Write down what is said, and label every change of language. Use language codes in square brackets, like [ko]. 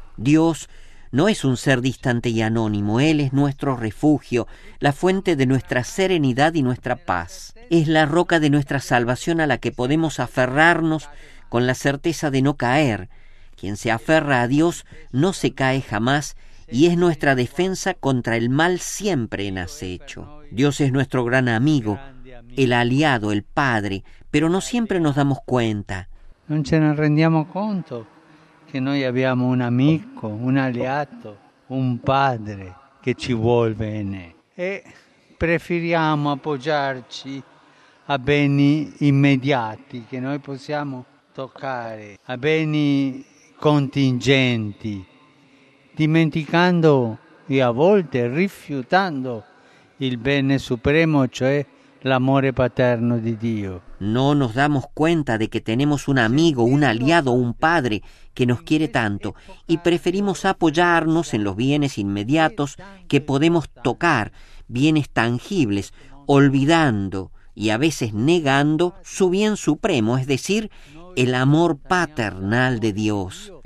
[es] Dios no es un ser distante y anónimo, Él es nuestro refugio, la fuente de nuestra serenidad y nuestra paz. Es la roca de nuestra salvación a la que podemos aferrarnos con la certeza de no caer. Quien se aferra a Dios no se cae jamás, y es nuestra defensa contra el mal siempre en acecho. Dios es nuestro gran amigo, el aliado, el padre, pero no siempre nos damos cuenta. [it] Non ce ne rendiamo conto che noi abbiamo un amico, un aliato, un padre che ci vuol bene. E preferiamo appoggiarci a beni immediati che noi possiamo toccare, a beni contingenti, dimenticando e a volte rifiutando il bene supremo, cioè l'amore paterno di Dio. [es] No nos damos cuenta de que tenemos un amigo, un aliado, un padre que nos quiere tanto y preferimos apoyarnos en los bienes inmediatos que podemos tocar, bienes tangibles, olvidando y a veces negando su bien supremo, es decir, el amor paternal de Dios.